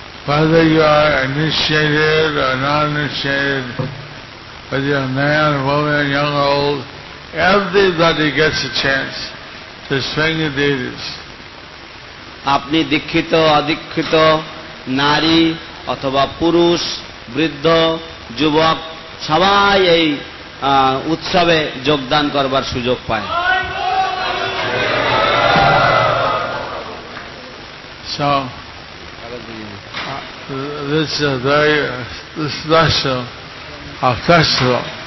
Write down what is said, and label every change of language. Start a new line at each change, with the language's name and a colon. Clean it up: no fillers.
English: Whether you are initiated or non-initiated, whether you're a man, a woman, young or old, everybody gets a chance to swing the deities.
Bangla: আপনি দীক্ষিত অদীক্ষিত নারী অথবা পুরুষ বৃদ্ধ যুবক সবাই এই উৎসবে যোগদান করবার সুযোগ পায়।
English: So, this is a very special festival.